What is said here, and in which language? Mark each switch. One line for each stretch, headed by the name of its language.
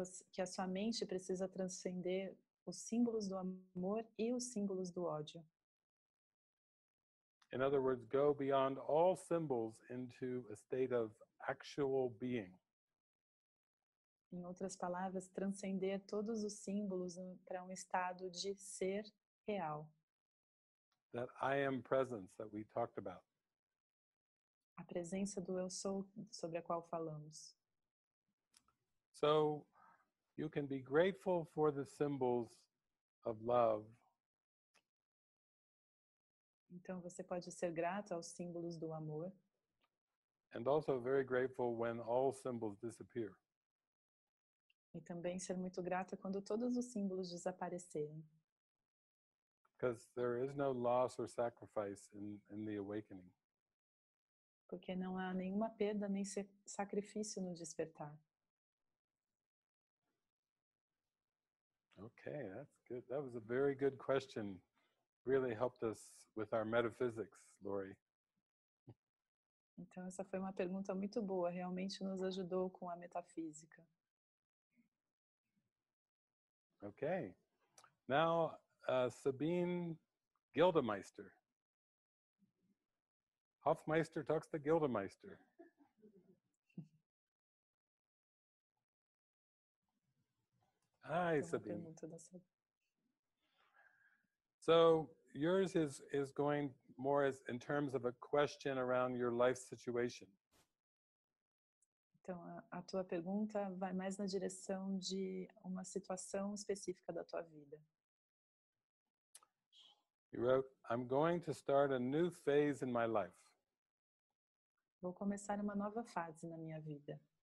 Portuguese: Que a sua mente precisa transcender os símbolos do amor e os símbolos do ódio.
English: In other words, go beyond all symbols into a state of actual being.
Portuguese: Em outras palavras, transcender todos os símbolos para um estado de ser real.
English: That I am presence that we talked about.
Portuguese: A presença do eu sou sobre a qual falamos.
English: So you can be grateful for the symbols of love.
Portuguese: Então você pode ser grato aos símbolos do amor.
English: And also very grateful when all symbols disappear.
Portuguese: E também ser muito grato quando todos os símbolos desaparecerem.
English: Because there is no loss or sacrifice in the awakening.
Portuguese: Porque não há nenhuma perda nem sacrifício no despertar.
English: Okay, that's good. That was a very good question. Really helped us with our metaphysics, Lori.
Portuguese: Então, essa foi uma pergunta muito boa. Realmente nos ajudou com a metafísica.
English: Okay. Now, Sabine Gildemeister. Hoffmeister talks to Gildemeister. Hi, Sabine. So yours is going more as in terms of a question around your life situation.
Portuguese: Então a tua pergunta vai mais na direção de uma situação específica da tua vida.
English: You wrote, "I'm going to start a new phase in my life."
Portuguese: Vou começar uma nova fase na minha vida.